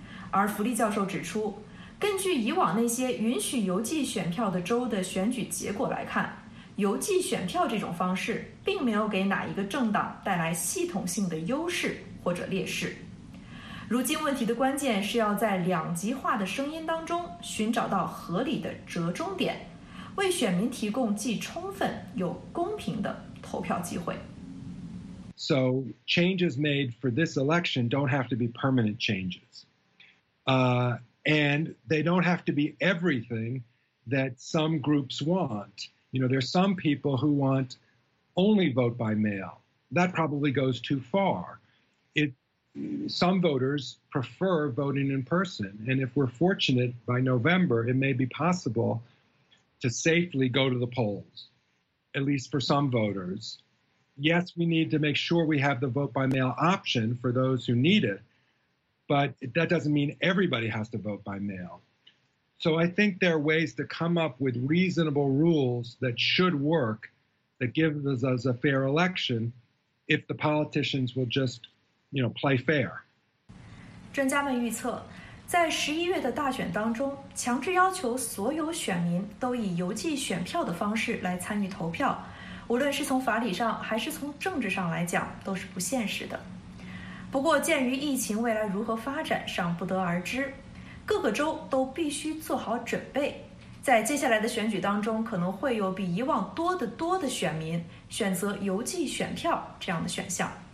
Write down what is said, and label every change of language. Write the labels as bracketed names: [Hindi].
[Chinese] 而福利教授指出，根据以往那些允许邮寄选票的州的选举结果来看，邮寄选票这种方式并没有给哪一个政党带来系统性的优势或者劣势。如今问题的关键是要在两极化的声音当中寻找到合理的折中点，为选民提供既充分又公平的投票机会。 [English] So changes made for this election don't have to be permanent changes. And they don't have to be everything that some groups want. You know, there are some people who want only vote by mail. That probably goes too far. Some voters prefer voting in person. And if we're fortunate by November, it may be possible to safely go to the polls, at least for some voters. Yes, we need to make sure we have the vote by mail option for those who need it, but that doesn't mean everybody has to vote by mail. So I think there are ways to come up with reasonable rules that should work, that gives us a fair election, if the politicians will just, you know, play fair. [Chinese] 专家们预测，在十一月的大选当中，强制要求所有选民都以邮寄选票的方式来参与投票，无论是从法理上还是从政治上来讲，都是不现实的。不过，鉴于疫情未来如何发展尚不得而知，各个州都必须做好准备，在接下来的选举当中，可能会有比以往多得多的选民选择邮寄选票这样的选项。